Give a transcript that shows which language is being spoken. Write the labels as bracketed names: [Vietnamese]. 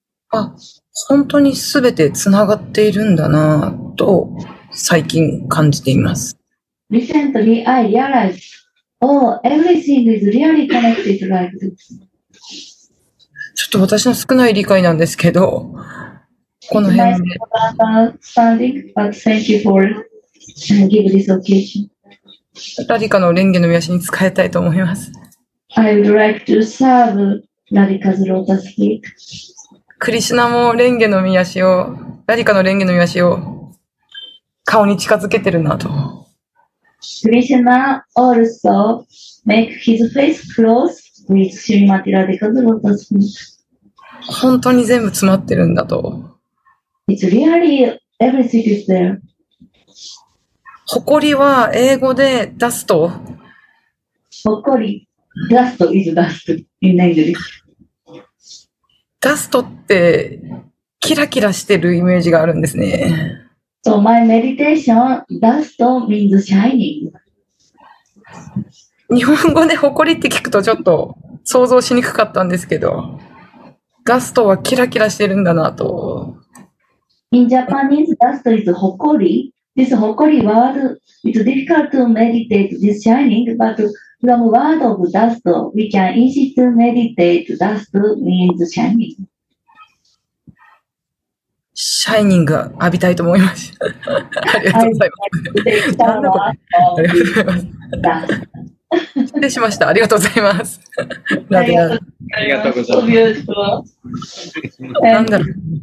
[Japanese] あ、本当にすべてつながっているんだなぁと最近感じています。 [English] Recently, I realized, oh, everything is really connected like this. [Japanese] ちょっと私の少ない理解なんですけど、この辺で。 [English] Nice understanding, but thank you for giving this occasion. [Japanese] ラディカのレンゲの御足に使いたいと思います。 [English] I would like to serve ラディカ's lotus feet. [Japanese] クリシュナもレンゲの御足を、ラディカのレンゲの御足を顔に近づけてるなと。 [English] クリシュナ also make his face close with Srimati Radhika's lotus feet. [Japanese] 本当に全部詰まってるんだと。 [English] It's really everything is there. [Japanese] ほこりは英語でダスト。 [English] ほこり、ダスト is dust in English. [Japanese] ダストってキラキラしてるイメージがあるんですね。 [English] So my meditation, dust means shining. [Japanese] 日本語でホコリって聞くとちょっと想像しにくかったんですけど、ダストはキラキラしてるんだなと。 [English] In Japanese, dust is ホコリ。 This ホコリ word is difficult to meditate this shining, but from word of dust, we can easy to meditate dust means shining. [Japanese] Shining 浴びたいと思います。ありがとうございます。ありがとうございます。失礼しました。ありがとうございます。ありがとうございます。なんだろう。